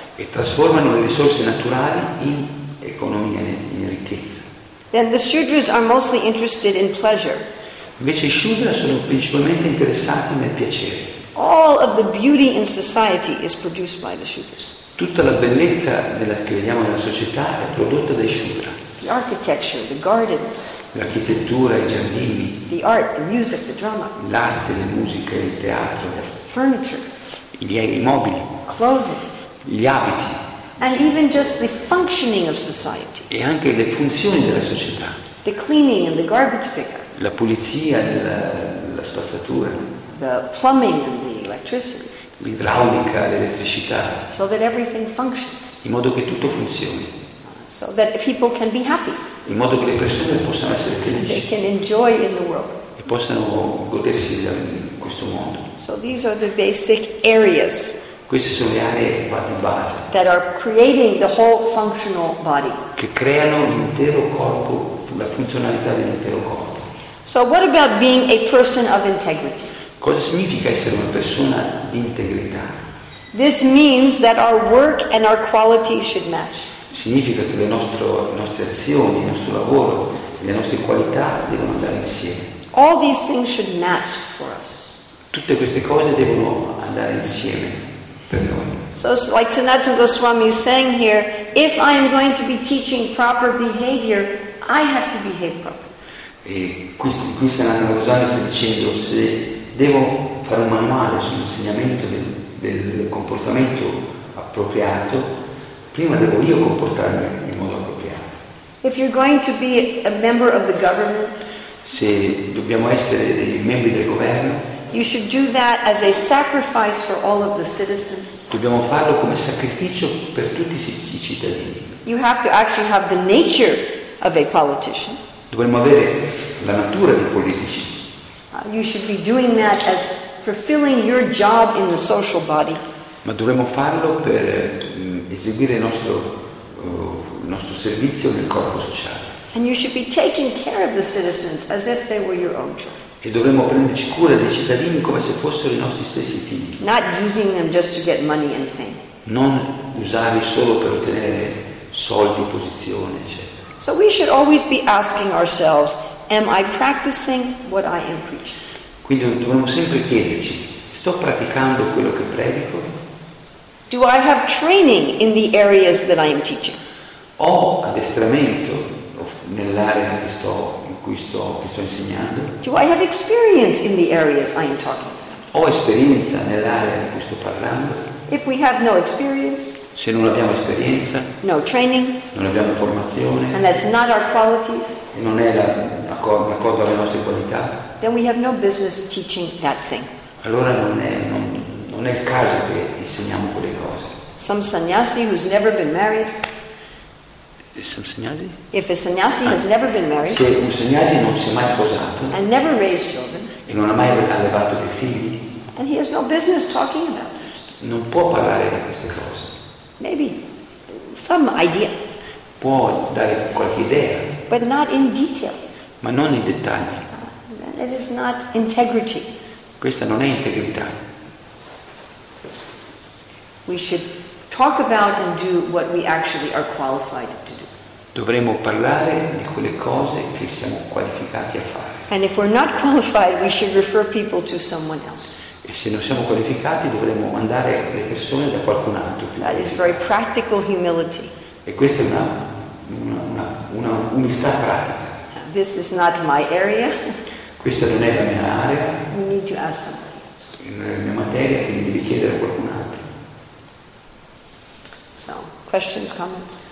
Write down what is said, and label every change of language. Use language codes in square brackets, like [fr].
[it] E trasformano le risorse naturali in economia, in ricchezza. [en] then the Shudras are mostly interested in pleasure. [it] Invece i Shudras sono principalmente interessati nel piacere. [en] All of the beauty in society is produced by the Shudras. [it] Tutta la bellezza che vediamo nella società è prodotta dai Shudra. [en] The architecture, the gardens. [it] L'architettura, i giardini. [en] The art, the music, the drama. [it] L'arte, la musica, il teatro. [en] The furniture. [it] I mobili. [en] Clothing. [it] Gli abiti. [en] And even just the functioning of society. [it] E anche le funzioni della società. [en] The cleaning and the garbage picker. [it] La pulizia e la spazzatura. [en] The plumbing and the electricity. [it] L'idraulica, l'elettricità. [en] So that everything functions. [it] In modo che tutto funzioni. [en] So that people can be happy. [it] In modo che le persone possano essere felici. [en] They can enjoy in the world. [it] E possano godersi in questo mondo. [en] So these are the basic areas. [it] Queste sono le aree di base. [en] That are creating the whole functional body. [it] Che creano l'intero corpo, la funzionalità dell'intero corpo. [en] So what about being a person of integrity? [it] Cosa significa essere una persona di integrità? [en] This means that our work and our quality should match. [it] Significa che le nostre azioni, il nostro lavoro, le nostre qualità devono andare insieme. [en] All these things should match for us. [it] Tutte queste cose devono andare insieme per noi. [en] So like Sanatana Goswami is saying here, if I am going to be teaching proper behavior, I have to behave properly. [it] E qui Sanatana Goswami sta dicendo, se devo fare un manuale sull'insegnamento del comportamento appropriato, prima devo io comportarmi in modo appropriato. [en] If you're going to be a member of the government, [it] se dobbiamo essere dei membri del governo, [en] you should do that as a sacrifice for all of the citizens. [it] Dobbiamo farlo come sacrificio per tutti i cittadini. [en] You have to actually have the nature of a politician. [it] Dovremmo avere la natura dei politici. [en] You should be doing that as fulfilling your job in the social body. [it] Ma dovremmo farlo per eseguire il nostro servizio nel corpo sociale. [en] And you should be taking care of the citizens as if they were your own children. [it] E dovremmo prenderci cura dei cittadini come se fossero i nostri stessi figli. [en] Not using them just to get money and fame. [it] Non usarli solo per ottenere soldi, posizione, eccetera. [en] So we should always be asking ourselves, am I practicing what I am preaching? [it] Quindi dovremmo sempre chiederci, sto praticando quello che predico? [en] Do I have training in the areas that I am teaching? [it] Ho addestramento nell'area che sto in cui sto insegnando? [en] Do I have experience in the areas I am talking about? [it] Ho esperienza nell'area di cui sto parlando? [en] If we have no experience, [it] se non abbiamo esperienza, [en] no training, [it] non abbiamo formazione, [en] and that's not our qualities, [it] e non è d'accordo alle nostre qualità, [en] then we have no business teaching that thing. [it] Allora non è il caso che insegniamo quelle cose. [en] Some sannyasi who's never been married. Some sannyasi? If a sannyasi has never been married, [it] se un sannyasi non si è mai sposato, [en] and never raised children, [it] e non ha mai allevato dei figli, [en] and he has no business talking about such. [it] Non può parlare di queste cose. [en] Maybe some idea. [it] Può dare qualche idea. [en] But not in detail. [it] Ma non in dettaglio. [en] It is not integrity. [it] Questa non è integrità. [en] We should talk about and do what we actually are qualified to do. [it] Dovremmo parlare di quelle cose che siamo qualificati a fare. [en] And if we're not qualified, we should refer people to someone else. [it] E se non siamo qualificati, dovremmo mandare le persone da qualcun altro. [en] That is very practical humility. [it] E questa è una umiltà pratica. [en] This is not my area. [it] Questa non è la mia area. [en] We need to ask somebody. [it] Non è la mia materia, quindi devi chiedere a qualcun altro. [en] So, questions, comments?